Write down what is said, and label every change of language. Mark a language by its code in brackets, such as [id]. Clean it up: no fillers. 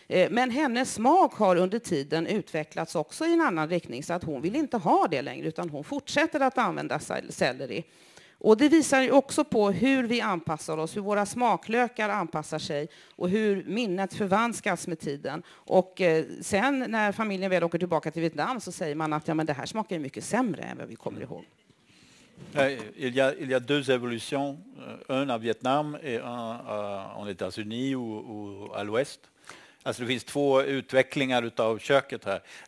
[sv] Men hennes smak har under tiden utvecklats också i en annan riktning så att hon vill inte ha det längre utan hon fortsätter att använda selleri. Och det visar ju också på hur vi anpassar oss, hur våra smaklökar anpassar sig och hur minnet förvanskas med tiden. Och sen när familjen väl åker tillbaka till Vietnam så säger man att ja, men det här smakar ju mycket sämre än vad vi kommer ihåg. [fr] Il y a deux évolutions, un à Vietnam et un en États-Unis ou à l'Ouest. [sv] Alltså det finns två utvecklingar utav köket här.